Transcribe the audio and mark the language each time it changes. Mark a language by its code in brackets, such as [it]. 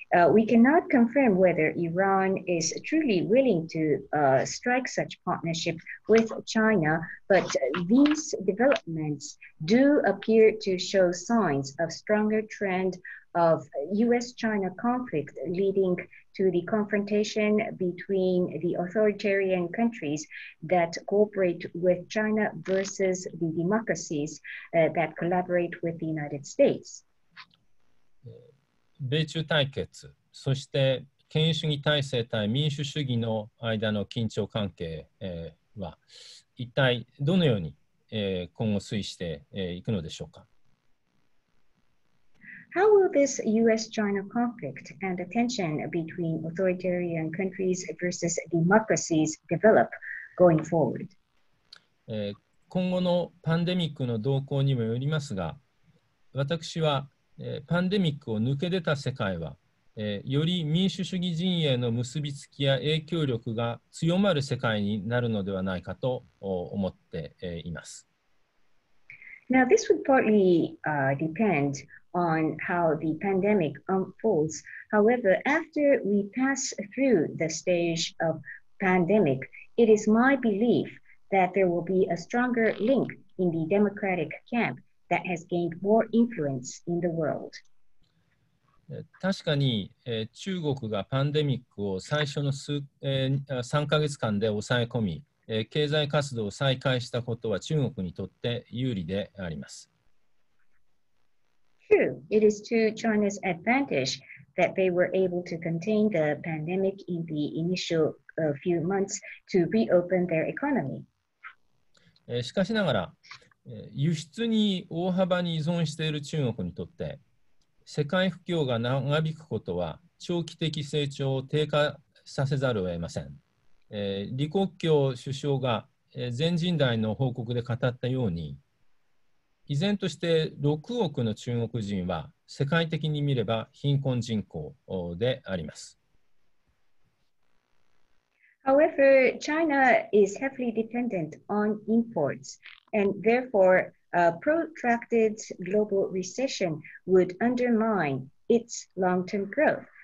[en] We cannot confirm whether Iran is truly willing to strike such partnership with China, but these developments do appear to show signs of stronger trend of U.S.-China conflict leading to the confrontation between the authoritarian countries that cooperate with China versus the democracies that collaborate with the United States. [ja] 米中対決、そして権威主義体制対民主主義の間の緊張関係は一体どのように今後推移していくのでしょうか。 [en] How will this U.S.-China conflict and the tension between authoritarian countries versus democracies develop going forward? [ja] 今後のパンデミックの動向にもよりますが、私は、パンデミックを抜け出た世界は、より民主主義陣営の結びつきや影響力が強まる世界になるのではないかと思っています。 [en] Now, this would partly dependon how the pandemic unfolds. However, after we pass through the stage of pandemic, it is my belief that there will be a stronger link in the democratic camp that has gained more influence in the world. [ja] 確かに、中国がパンデミックを最初の数、3ヶ月間で抑え込み、経済活動を再開したことは中国にとって有利であります。 [en] True, it is to China's advantage that they were able to contain the pandemic in the initial few months to reopen their economy. [ja] しかしながら、輸出に大幅に依存している中国にとって、世界不況が長引くことは長期的成長を低下させざるを得ません。李克強首相が全人代の報告で語ったように、依然として6億の中国人は世界的に見れば貧困人口であります。 [en] However, China is heavily dependent on imports, and therefore a protracted global recession would undermine its long-term growth.